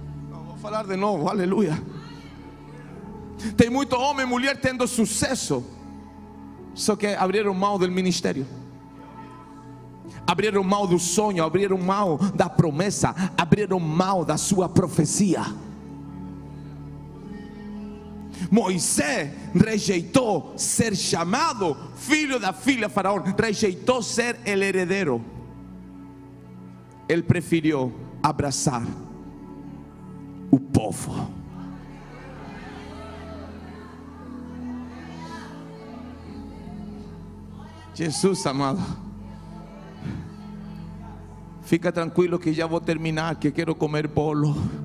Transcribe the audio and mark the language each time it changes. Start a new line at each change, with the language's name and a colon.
Spanish: Vamos a hablar de nuevo, aleluya. Hay mucho hombre y mujer teniendo suceso, solo que abrieron mano del ministerio. Abrieron mano del sueño, abrieron mano de la promesa, abrieron mano de su profecía.
Portuguese: Moisés rejeitó ser chamado filho da filha de Faraón.
Spanish: Rejeitó ser el heredero. Él prefirió abrazar
Portuguese: o povo.
Spanish: Jesús amado,
Portuguese: fica tranquilo
Spanish: que ya voy a terminar, que quiero comer
Portuguese: bolo.